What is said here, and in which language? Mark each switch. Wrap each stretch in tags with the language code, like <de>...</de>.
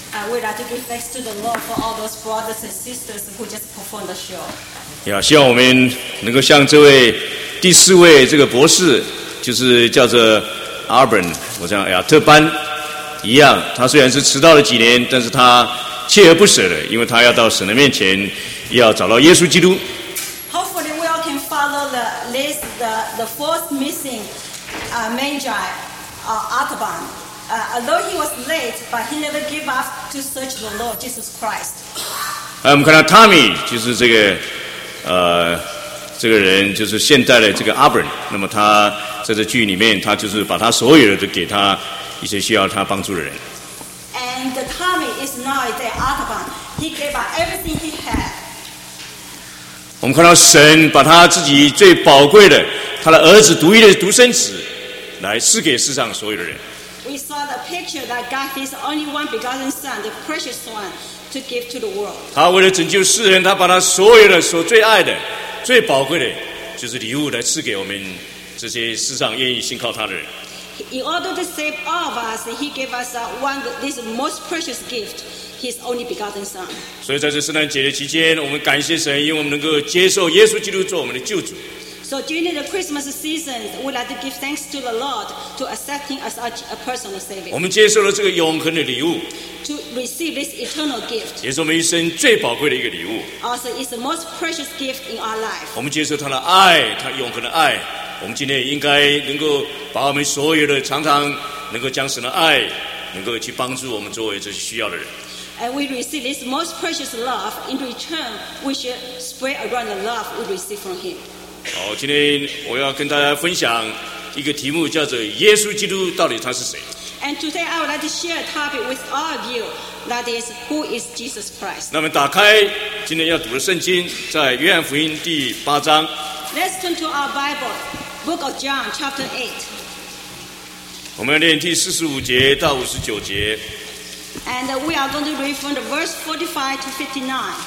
<en>We'd like to give thanks to the Lord for all those brothers and sisters who just performed the show.</en> <zh>Yeah, 希望我们能够像这位第四位这个博士，就是叫做 Auburn， 我叫亚特班一样，他虽然是迟到了几年，但是他锲而不舍的，因为他要到神的面前，要找到耶稣基督。</zh> <en>Hopefully, we all can follow the list, the fourth missing, Magi, Artaban. Although he was late, but he never gave up to search the Lord Jesus Christ.</en> <zh>我们看到 Tommy 就是这个，这个人就是现代的这个 Auburn。那么他在这剧里面，他就是把他所有的都给他一些需要他帮助的人。</zh> <en>And Tommy is now the Artaban. He gave up everything he had.</en> <zh>我们看到神把他自己最宝贵的，他的儿子独一的独生子，来赐给世上所有的人。</zh> <en>We saw the picture that God is only one begotten Son, the precious one, to give to the world.</en> <zh>他为了拯救世人，他把他所有的、所最爱的、最宝贵的，就是礼物来赐给我们这些世上愿意信靠他的人。</zh> <en>In order to save all of us, He gave us one this most precious gift. His only begotten Son.</en> <zh>所以在这圣诞节的期间，我们感谢神，因为我们能够接受耶稣基督做我们的救主。</zh> <en>So during the Christmas season, we'd like to give thanks to the Lord to accepting us as a personal savior.</en> <zh>我们接受了这个永恒的礼物。</zh> <en>To receive this eternal gift.</en> <zh>也是我们一生最宝贵的一个礼物。</zh> <en>Also, it's the most precious gift in our life.</en> <zh>我们接受他的爱，他永恒的爱。我们今天应该能够把我们所有的常常能够将神的爱，能够去帮助我们周围这些需要的人。</zh> <en>And we receive this most precious love. In return, we should spread around the love we receive from Him.</en> <zh>好，今天我要跟大家分享一个题目，叫做“耶稣基督到底他是谁</zh> <en>？”And today I would like to share a topic with all of you. That is, who is Jesus Christ?</en> <zh>那么打开今天要读的圣经，在约翰福音第八章。</zh> <en>Let's turn to our Bible, Book of John, Chapter 8.</en> <zh>我们要念第四十五节到五十九节。</zh> <en>And we are going to read from the verse 45 to 59.</en>